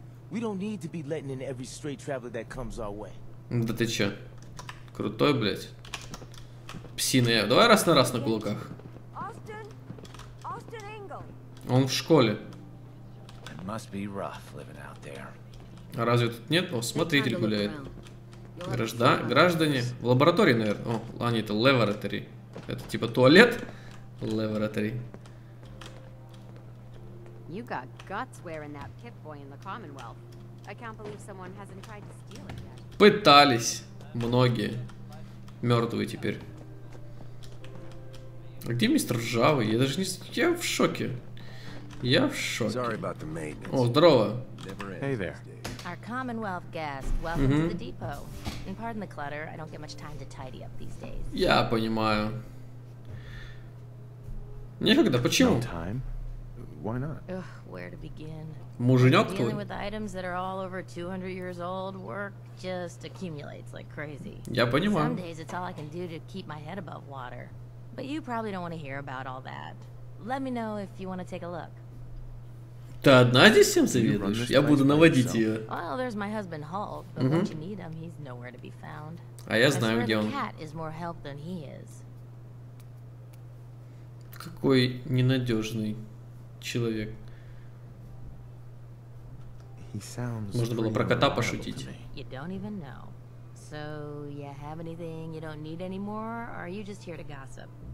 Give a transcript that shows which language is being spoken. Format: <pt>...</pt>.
<en>We don't need to be letting in every stray traveler that comes our way.</en> <ru>Да ты чё? Крутой, блядь. Псиная. Давай раз на раз на кулаках.</ru> <en>Austin. Austin Angle.</en> <ru>Он в школе.</ru> <en>Must be rough living out there.</en> <ru>А разве тут нет? О, смотритель гуляет. Граждане. В лаборатории, наверное. О, они это лаборатори. Это типа туалет? Лаборатори.</ru> <en>You got guts wearing that pit boy in the Commonwealth. I can't believe someone hasn't tried to steal it yet.</en> <ru>Пытались. Многие. Мертвые теперь. А где мистер Ржавый? Я даже не. Я в шоке. Я в шоке. О, здорово.</ru> <en>Hey there. Our Commonwealth guest, welcome to the depot. And pardon the clutter, I don't get much time to tidy up these days.</en> <ru>Я понимаю. Некогда, почему?</ru> <en>Why not? Ugh, where to begin?</en> <ru>Муженек твой?</ru> <en>Dealing with items that are all over 200 years old, work just accumulates like crazy.</en> <ru>Я понимаю.</ru> <en>Some days it's all I can do to keep my head above water. But you probably don't want to hear about all that. Let me know if you want to take a look.</en> <ru>Ты одна здесь всем заведуешь? Я буду наводить ее.</ru> <en>Well, there's my husband Hulk, but when you need him, he's nowhere to be found.</en> <ru>А я знаю, где он.</ru> <en>Cat is more help than he is.</en> <ru>Какой ненадежный человек. Можно было про кота пошутить.</ru> <en>You don't even know. So you have anything you don't need anymore, or are you just here to gossip?</en>